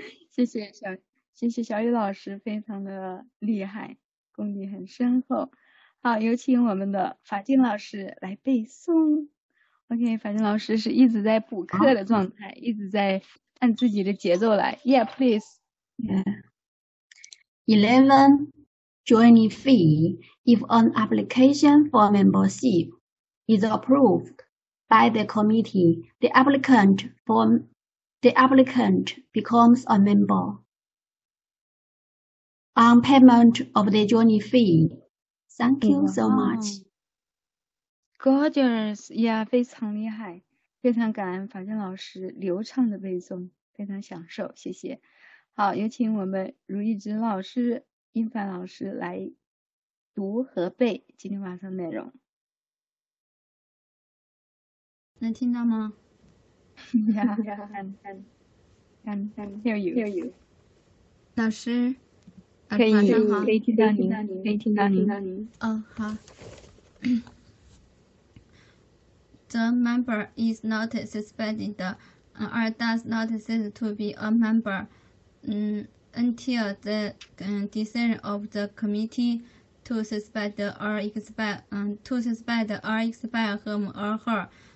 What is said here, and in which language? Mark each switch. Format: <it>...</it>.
<zh>谢谢小雨老师，非常的厉害，功底很深厚。好，有请我们的法静老师来背诵。 OK， 法静老师是一直在补课的状态，一直在按自己的节奏来。</zh> <en>Yeah, please. Yeah. 11. Joining fee if an application for membership is approved by the committee, the applicant becomes a member. On payment of the joining fee, thank you so much. Gorgeous, yeah,</en> <zh>非常厉害，非常感恩法静老师流畅的背诵，非常享受，谢谢。好，有请我们如意芝老师。英凡老师来读和背今天晚上内容，能听到吗？</zh> <en>Can hear you. Hear you. 老师，</en> <zh>可以，晚上好，可以听到您，可以听到您。好。</zh> <en>The member is not suspended, or does not cease to be a member. Until the decision of the committee to suspend or expel him or her</en>